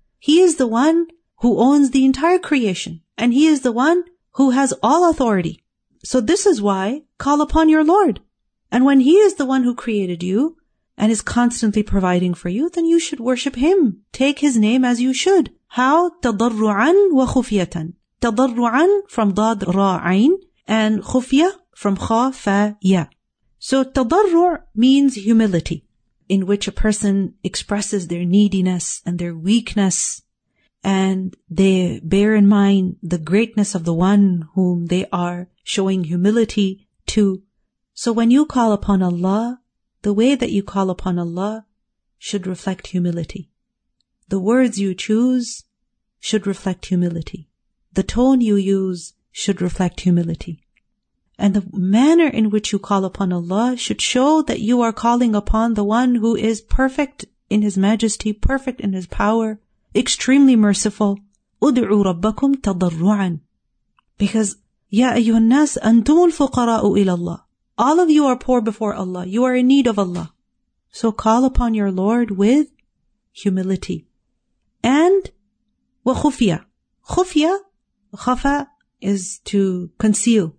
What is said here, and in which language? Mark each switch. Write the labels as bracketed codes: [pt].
[en] He is the one who owns the entire creation, and He is the one who has all authority. So this is why, call upon your Lord. And when He is the one who created you, and is constantly providing for you, then you should worship Him. Take His name as you should. How? [ar] تَضَرُّعًا وَخُفْيَةً. تَضَرُّعًا from ضَاد رَاعَيْن, and خُفْيَة from خَا فَا يَا. [en] So تَضَرُّع means humility, in which a person expresses their neediness and their weakness, and they bear in mind the greatness of the one whom they are showing humility to. So when you call upon Allah, the way that you call upon Allah should reflect humility. The words you choose should reflect humility. The tone you use should reflect humility. And the manner in which you call upon Allah should show that you are calling upon the one who is perfect in His majesty, perfect in His power, extremely merciful. [ar] اُدْعُوا رَبَّكُمْ تَضَرُّعًا. [en] Because, [ar] يَا أَيُّهَا النَّاسِ أَنْتُمُ الْفُقَرَاءُ إِلَى اللَّهِ. [en] All of you are poor before Allah. You are in need of Allah. So call upon your Lord with humility. And [ar] وخفيا. خفيا, خفا is to conceal.